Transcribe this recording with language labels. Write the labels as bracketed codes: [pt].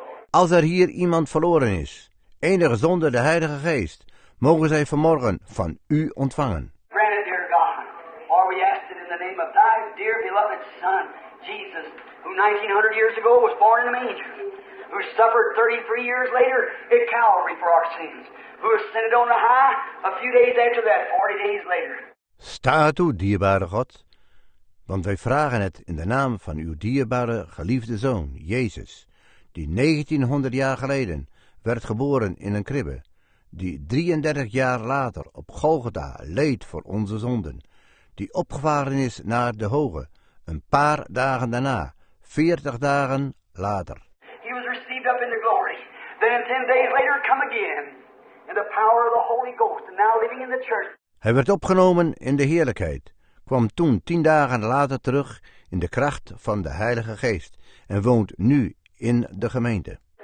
[nl] Als er hier iemand verloren is, enige zonder de Heilige Geest, mogen zij vanmorgen van u ontvangen. [en] Grant it, dear God. Or we ask it in the name of thy dear beloved Son, Jesus, who 1900 years ago was born in a manger, who suffered 33 years later at Calvary for our sins, who ascended on the high a few days after that, 40 days later. [nl] Sta toe, dierbare God, want wij vragen het in de naam van uw dierbare, geliefde Zoon, Jezus, die 1900 jaar geleden werd geboren in een kribbe, die 33 jaar later op Golgotha leed voor onze zonden, die opgevaren is naar de hoge, een paar dagen daarna, 40 dagen later. [en] He was received up in the glory, then 10 days later come again, in the power of the Holy Ghost, and now living in the church. [nl] Hij werd opgenomen in de heerlijkheid, kwam toen 10 dagen later terug in de kracht van de Heilige Geest en woont nu in de gemeente.